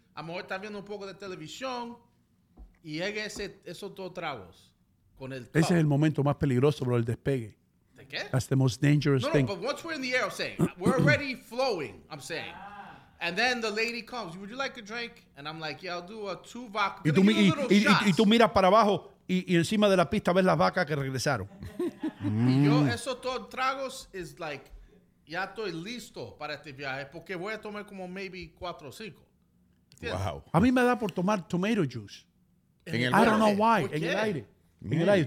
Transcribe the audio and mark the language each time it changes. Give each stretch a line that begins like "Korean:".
Spanish: A lo mejor estás viendo un poco de televisión. Y llega esos dos tragos con el cup. Ese es el momento más peligroso, bro, el despegue.
English: That's the most dangerous thing. No, but once we're in the air, I'm saying, we're already flowing, I'm saying. And then the lady comes, would you like a drink? And I'm like, yeah, I'll do a two vodka.
Spanish: Y tú miras para abajo y encima de la pista ves las vacas que regresaron. Y yo, esos dos tragos,
English: is like,
Spanish: ya estoy listo para este viaje porque voy a tomar como
English: maybe 4 or 5.
Spanish: Wow. A mí me da por tomar tomato juice.
English: I don't know why,
Spanish: en el aire.